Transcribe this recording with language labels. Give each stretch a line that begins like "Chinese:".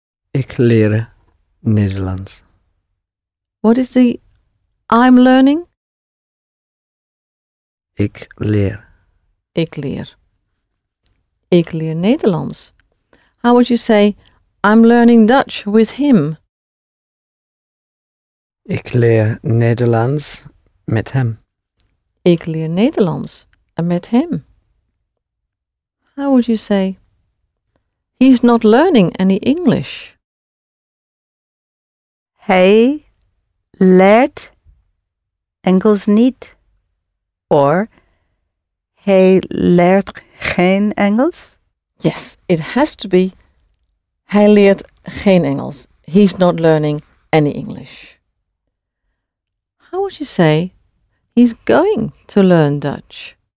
Dutch: Ik leer Nederlands.
English: What is the I'm learning?
Dutch: Ik leer. Ik leer. Ik leer Nederlands.
English: How would you say I'm learning Dutch with him?
Dutch: Ik leer Nederlands met hem. Ik leer Nederlands en met hem.
English: How would you say, he's not learning any English?
Dutch: Hij leert Engels niet. Or, hij leert geen Engels?
English: Yes, it has to be,
Dutch: hij leert geen Engels.
English: He's not learning any English. How would you say, he's going to learn Dutch?